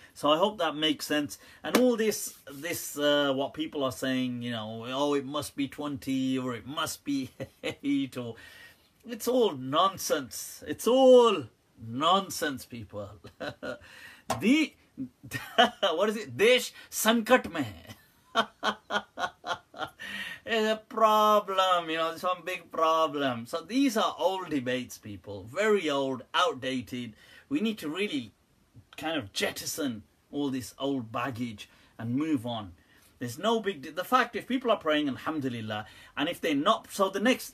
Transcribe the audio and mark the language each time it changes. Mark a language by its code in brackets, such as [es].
[en] So I hope that makes sense. And all this, what people are saying, you know, oh, it must be 20 or it must be 8 or... It's all nonsense. It's all nonsense, people. The what is it? [hi] देश संकट में। [en] It's a problem, you know, some big problem. So these are old debates, people. Very old, outdated. We need to really kind of jettison all this old baggage and move on. There's no big... The fact, if people are praying, alhamdulillah, and if they're not... So the next...